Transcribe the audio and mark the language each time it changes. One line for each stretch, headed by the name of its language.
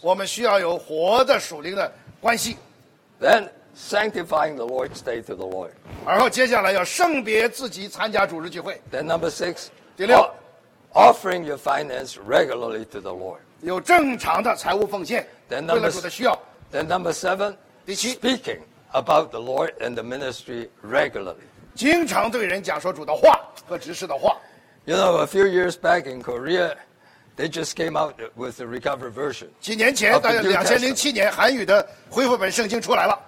Chinese: 我们需要有活的属灵的关系。
English: Then sanctifying the Lord's day to the Lord.
Chinese: 然后接下来要圣别自己参加主日聚会。
English: Then number six.
Chinese: 第六。
English: Offering your finance regularly to the Lord.
Chinese: 有正常的财务奉献，为了主的需要。
English: Then number seven,
Chinese: 第七
English: speaking about the Lord and the ministry regularly.
Chinese: 经常对人讲说主的话和执事的话。
English: You know, a few years back in Korea, they just came out with the recovered version.
Chinese: 几年前，大概2007年，韩语的恢复本圣经出来了。